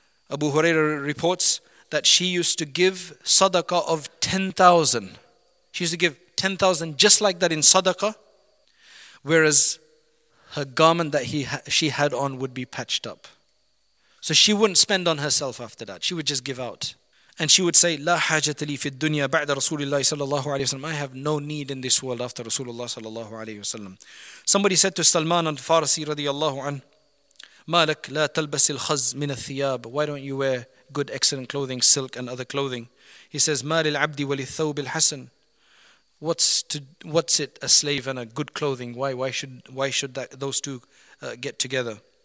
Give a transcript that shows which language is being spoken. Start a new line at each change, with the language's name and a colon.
English: Abu Hurairah reports that she used to give sadaqah of 10,000. She used to give 10,000 just like that in sadaqah, whereas her garment that she had on would be patched up. So she wouldn't spend on herself after that. She would just give out. And she would say,
Arabic: لا حاجة لي في الدنيا بعد رسول الله صلى الله عليه وسلم,
English: I have no need in this world after Rasulullah
Arabic: صلى الله عليه وسلم.
English: Somebody said to Salman al-Farsi رضي الله عنه,
Arabic: مالك لا تلبس الخز من الثياب,
English: why don't you wear good excellent clothing, silk and other clothing? He says,
Arabic: ما للعبد وللثوب الحسن,
English: what's it, a slave and a good clothing, why should that, those two get together?